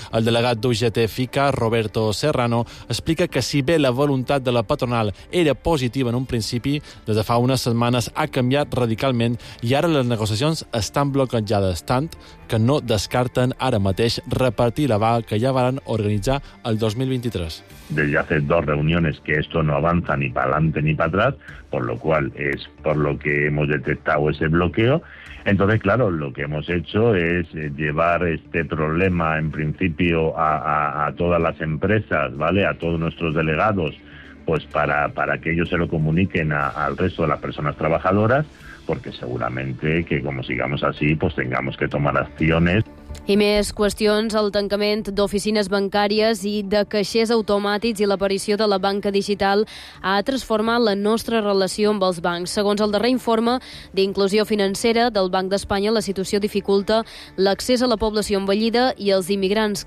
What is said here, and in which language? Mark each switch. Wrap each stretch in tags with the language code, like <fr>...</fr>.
<ca>El delegat d'UGT FICA, Roberto Serrano, explica que si bé la voluntat de la patronal era positiva en un principi, des de fa unes setmanes ha canviat radicalment i ara les negociacions estan bloquejades, tant tant que no descarten ara mateix repartir la vaga que ja varen organitzar el 2023.</ca> <es>Desde hace dos reuniones que esto no avanza ni para adelante ni para atrás, por lo cual es por lo que hemos detectado ese bloqueo. Entonces, claro, lo que hemos hecho es llevar este problema en principio a todas las empresas, ¿vale?, a todos nuestros delegados, pues para que ellos se lo comuniquen al resto de las personas trabajadoras, porque seguramente que como sigamos así, pues tengamos que tomar acciones.</es> <ca>I més qüestions, el tancament d'oficines bancàries i de caixers automàtics i l'aparició de la banca digital ha transformat la nostra relació amb els bancs. Segons el darrer informe d'inclusió financera del Banc d'Espanya, la situació dificulta l'accés a la població envellida i els immigrants.</ca>